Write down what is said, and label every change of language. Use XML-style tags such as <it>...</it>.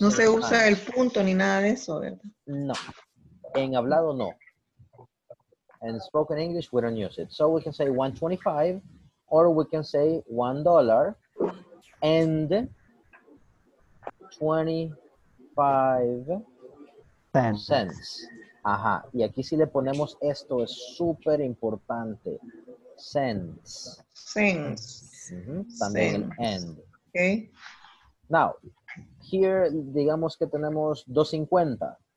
<es>no se usa el punto ni nada de eso, ¿verdad? No. En hablado, no.</es> <en>In spoken English, we don't use it. So we can say 125 or we can say $1 and 25 cents. Ajá.</en> <es>Y aquí si le ponemos esto, es súper importante.</es> <en>Cents. Cents.</en> <es>También end.</es> <en>Okay. Now, here,</en> <es>digamos que tenemos</es> <en>250.</en>